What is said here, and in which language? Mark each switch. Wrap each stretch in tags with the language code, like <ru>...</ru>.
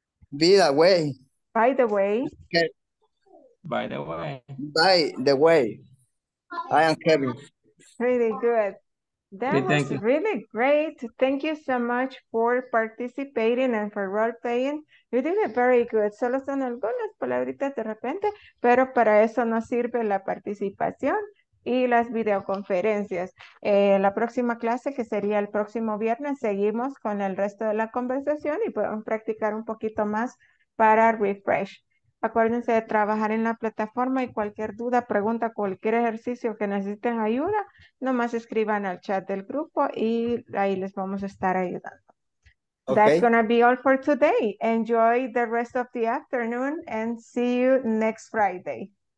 <en>By the way, I am Kevin. Really good. That was really great. Thank you so much for participating and for role playing. You did it very good.</en> <es>Solo son algunas palabritas de repente, pero para eso no sirve la participación. y las videoconferencias. La próxima clase, que sería el próximo viernes, seguimos con el resto de la conversación y podemos practicar un poquito más para refresh. Acuérdense de trabajar en la plataforma y cualquier duda, pregunta, cualquier ejercicio que necesiten ayuda, nomás escriban al chat del grupo y ahí les vamos a estar ayudando.</es> <en>Okay. That's going to be all for today. Enjoy the rest of the afternoon and see you next Friday.</en>